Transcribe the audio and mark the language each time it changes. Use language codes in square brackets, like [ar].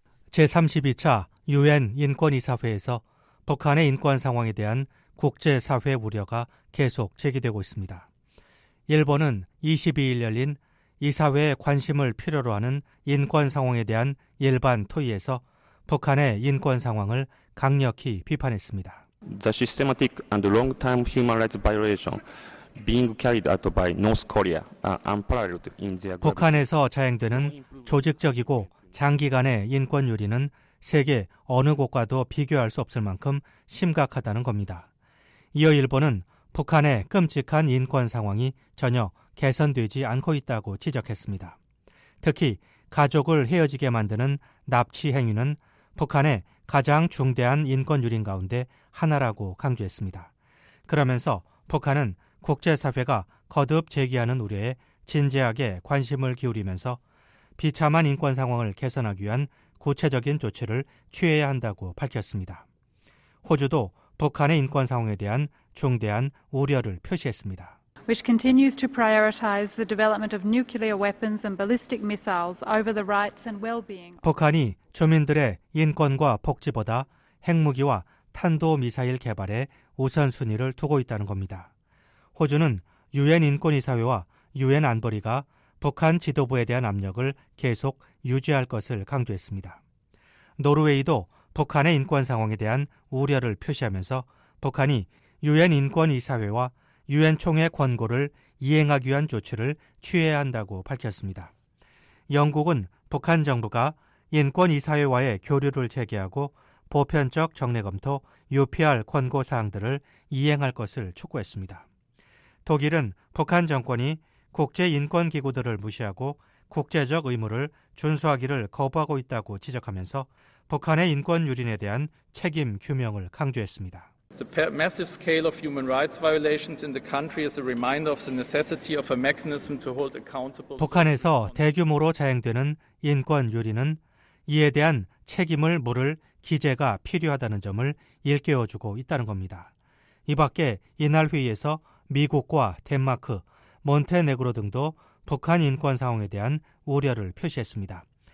[ko] 제32차 유엔 인권이사회에서 북한의 인권 상황에 대한 국제사회 우려가 계속 제기되고 있습니다. 일본은 22일 열린 이사회의 관심을 필요로 하는 인권 상황에 대한 일반 토의에서 북한의 인권 상황을 강력히 비판했습니다. [en] The systematic and long-term human rights violation being carried out by North Korea unparalleled in their [ko] 북한에서 자행되는 조직적이고 장기간의 인권 유린은 세계 어느 곳과도 비교할 수 없을 만큼 심각하다는 겁니다. 이어 일본은 북한의 끔찍한 인권 상황이 전혀 개선되지 않고 있다고 지적했습니다. 특히 가족을 헤어지게 만드는 납치 행위는 북한의 가장 중대한 인권 유린 가운데 하나라고 강조했습니다. 그러면서 북한은 국제사회가 거듭 제기하는 우려에 진지하게 관심을 기울이면서 비참한 인권 상황을 개선하기 위한 구체적인 조치를 취해야 한다고 밝혔습니다. 호주도 북한의 인권 상황에 대한 중대한 우려를 표시했습니다. [en] Which continues to prioritize the development of nuclear weapons and ballistic missiles over the rights and well-being. [ko] 북한이 주민들의 인권과 복지보다 핵무기와 탄도미사일 개발에 우선순위를 두고 있다는 겁니다. 호주는 유엔 인권이사회와 유엔 안보리가 북한 지도부에 대한 압력을 계속 유지할 것을 강조했습니다. 노르웨이도 북한의 인권 상황에 대한 우려를 표시하면서 북한이 유엔 인권이사회와 유엔 총회 권고를 이행하기 위한 조치를 취해야 한다고 밝혔습니다. 영국은 북한 정부가 인권이사회와의 교류를 재개하고 보편적 정례검토 UPR 권고 사항들을 이행할 것을 촉구했습니다. 독일은 북한 정권이 국제인권기구들을 무시하고 국제적 의무를 준수하기를 거부하고 있다고 지적하면서 북한의 인권 유린에 대한 책임 규명을 강조했습니다. [en] The massive scale of human rights violations in the country is a reminder of the necessity of a mechanism to hold accountable. [ko] 북한에서 대규모로 자행되는 인권 유린은 이에 대한 책임을 물을 기재가 필요하다는 점을 일깨워주고 있다는 겁니다. 이 밖에 이날 회의에서 미국과 덴마크, 몬테네그로 등도 북한 인권 상황에 대한 우려를 표시했습니다.